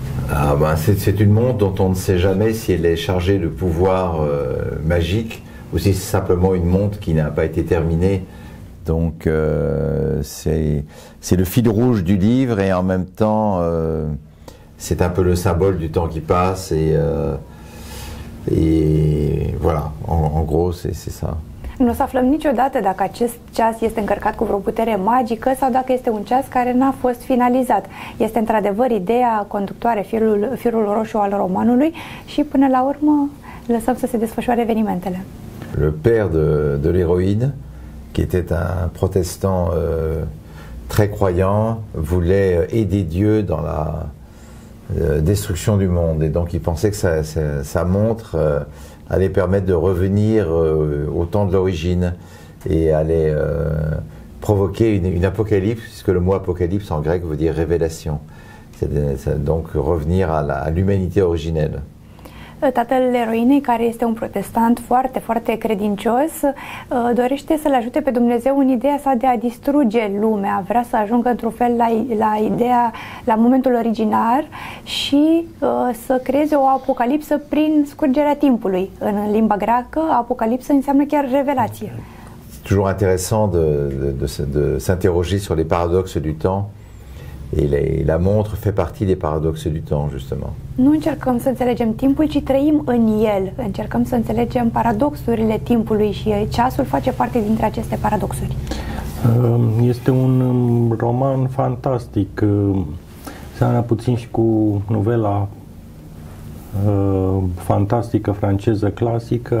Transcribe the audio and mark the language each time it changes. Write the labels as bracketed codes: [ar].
[fr] Ah ben, c'est une montre dont on ne sait jamais si elle est chargée de pouvoir magique ou si c'est simplement une montre qui n'a pas été terminée. Donc c'est le fil rouge du livre et en même temps c'est un peu le symbole du temps qui passe et Et voilà, en gros, c'est ça. [ro] Nu o să aflăm niciodată dacă acest ceas este încărcat cu vreo putere magică sau dacă este un ceas care n-a fost finalizat. Este într-adevăr ideea conductoare, firul roșu al romanului și până la urmă lăsăm să se desfășoare evenimentele. [fr] Le père de l'héroïne, qui était un protestant très croyant, voulait aider Dieu dans la destruction du monde et donc il pensait que sa montre allait permettre de revenir au temps de l'origine et allait provoquer une apocalypse puisque le mot apocalypse en grec veut dire révélation, c'est donc revenir à l'humanité originelle. [ro] Tatăl eroinei, care este un protestant foarte, foarte credincios, dorește să-l ajute pe Dumnezeu în ideea sa de a distruge lumea. Vrea să ajungă într-un fel la ideea, la momentul originar și să creeze o apocalipsă prin scurgerea timpului. În limba greacă, apocalipsă înseamnă chiar revelație. [fr] C'est toujours intéressant de s'interroger sur les paradoxes du temps. Et la montre fait partie des paradoxes du temps, justement. [ro] Nu încercăm să înțelegem timpul, ci trăim în el. Încercăm să înțelegem paradoxurile timpului și ceasul face parte dintre aceste paradoxuri. Este un roman fantastic. Seamănă puțin și cu novela fantastică franceză clasică.